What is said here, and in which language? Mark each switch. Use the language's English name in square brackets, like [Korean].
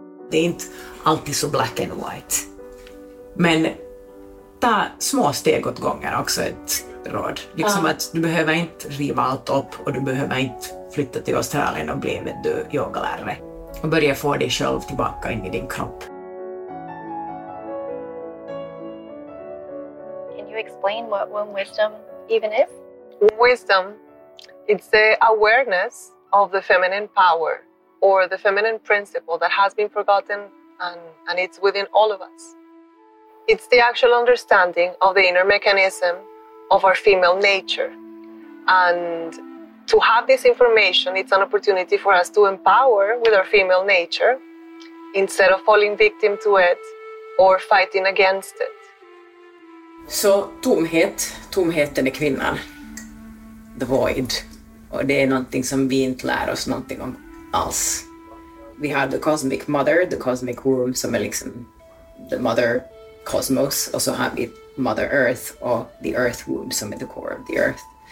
[Swedish] Det är inte alltid så [English] black and white. [Swedish] Men ta små steg åt gången också, ett råd. Liksom att du behöver inte riva allt upp, och du behöver inte flytta till Australien och bli en yogalärare. Och börja få dig själv tillbaka in i din kropp. [English] Explain what womb wisdom even is? Wisdom, it's the awareness of the feminine power or the feminine principle that has been forgotten, and it's within all of us. It's the actual understanding of the inner mechanism of our female nature. And to have this information, it's an opportunity for us to empower with our female nature instead of falling victim to it or fighting against it. [Swedish] Så tomhet, tomheten är kvinnan, [English] the void, [Swedish] och det är någonting som vi inte lär oss någonting om alls. Vi har [English] the cosmic mother, the cosmic womb, [Swedish] som är liksom [English] the mother cosmos, [Swedish] och så har vi [English] mother earth [Swedish] och [English] the earth womb, [Swedish] som är [English] the core of the earth.